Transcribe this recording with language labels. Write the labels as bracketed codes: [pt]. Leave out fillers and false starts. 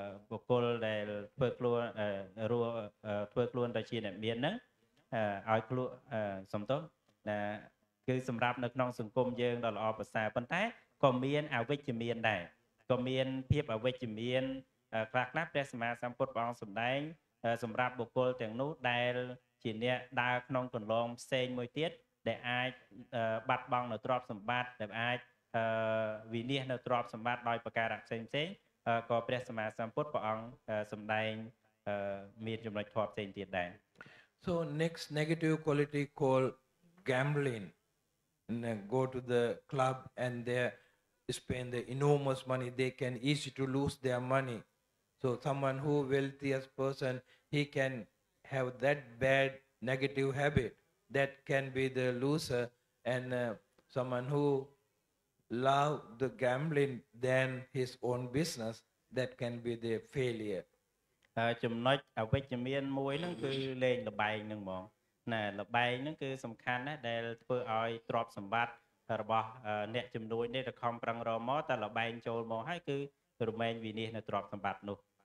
[km] បុគ្គលដែលធ្វើខ្លួនរួធ្វើខ្លួនទៅជាអ្នកមានហ្នឹងឲ្យខ្លួនសំទោសណាគឺសម្រាប់នៅក្នុងសង្គមយើងដ៏ល្អប្រសើរប៉ុន្តែក៏មានអវិជ្ជមានដែរក៏មានភាពអវិជ្ជមានខ្លះខ្លះព្រះសម្មាសម្ពុទ្ធព្រះអង្គសម្ដែងសម្រាប់បុគ្គលទាំងនោះដែលជាអ្នកដើរក្នុងកន្លងផ្សេងមួយទៀតដែលអាចបាត់បង់នៅទ្រព្យសម្បត្តិដែលអាច វិនាសនៅទ្រព្យសម្បត្តិដោយប្រការផ្សេងផ្សេងក៏ព្រះសម្មាសម្ពុទ្ធព្រះអង្គសម្ដែងមានចំណុចធំផ្សេងទៀតដែរ [en] So next negative quality called gambling and go to the club and they spend the enormous money they can easy to lose their money so someone who wealthiest person he can have that bad negative habit that can be the loser and someone who love the gambling than his own business that can be the failure [km] ចំណុចអវិជ្ជមានមួយហ្នឹងគឺលេងល្បែងហ្នឹងហ្មងណាល្បែងហ្នឹងគឺសំខាន់ណាស់ដែលធ្វើឲ្យទ្រព្យសម្បត្តិរបស់អ្នកជំនួញនេះទៅខំប្រឹងរកមកតែល្បែងចូលមកហើយគឺរមែងវិនាសនៅទ្រព្យសម្បត្តិនោះ